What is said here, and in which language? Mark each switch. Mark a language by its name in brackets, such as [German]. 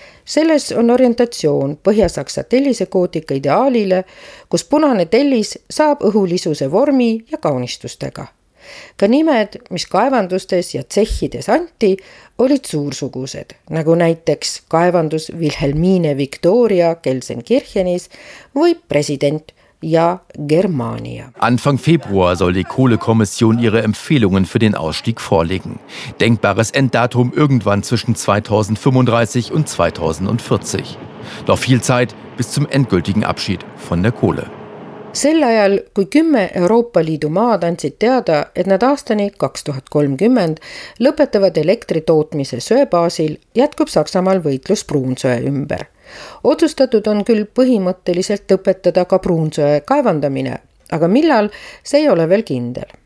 [Estonian] Selles on orientatsioon Põhja-Saksa tellise koodika ideaalile, kus punane tellis saab õhulisuse vormi ja kaunistustega. Ka nimed, mis kaevandustes ja tsehhides anti, olid suursugused, nagu näiteks kaevandus Wilhelmine Victoria Gelsenkirchenis või president ja Germania. [German] Anfang Februar soll die Kohlekommission ihre Empfehlungen für den Ausstieg vorlegen. Denkbares Enddatum irgendwann zwischen 2035 und 2040. Doch viel Zeit bis zum endgültigen Abschied von der Kohle. [Estonian] Sel ajal, kui 10 Euroopa Liidu maad andsid teada, et nad aastani 2030 lõpetavad elektritootmise söebaasil, jätkub Saksamaal võitlus pruunsöe ümber. Otsustatud on küll põhimõtteliselt lõpetada ka pruunsöe kaevandamine, aga millal, see ei ole veel kindel.